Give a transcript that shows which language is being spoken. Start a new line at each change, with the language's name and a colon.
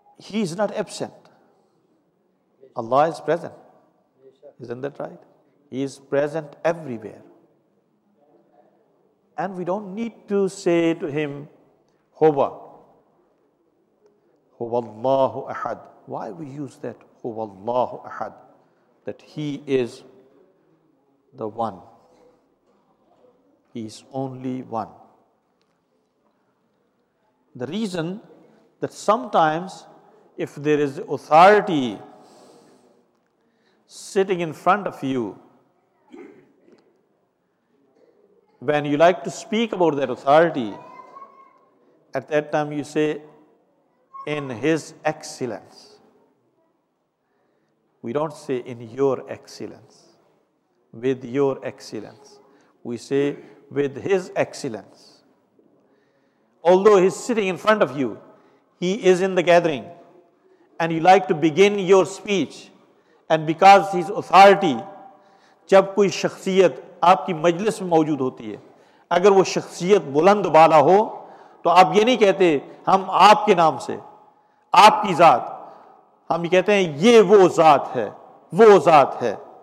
English: he is not absent, Allah is present, is in that right, he is present everywhere, and we don't need to say to him ہو
Arabic: هو الله احد،
English: why we use that هو الله احد، that he is the one، he is only one. The reason that sometimes if there is authority sitting in front of you, when you like to speak about that authority, at that time you say in his excellence. We don't say in your excellence, with your excellence. We say with his excellence. Although he's sitting in front of you, he is in the gathering, and you like to begin your speech, and because his authority,
Urdu: جب کوئی شخصیت آپ کی مجلس میں موجود ہوتی ہے، اگر وہ شخصیت بلند بالا ہو تو آپ یہ نہیں کہتے ہم آپ کے نام سے، آپ کی ذات، ہم یہ کہتے ہیں یہ وہ ذات ہے، وہ ذات ہے۔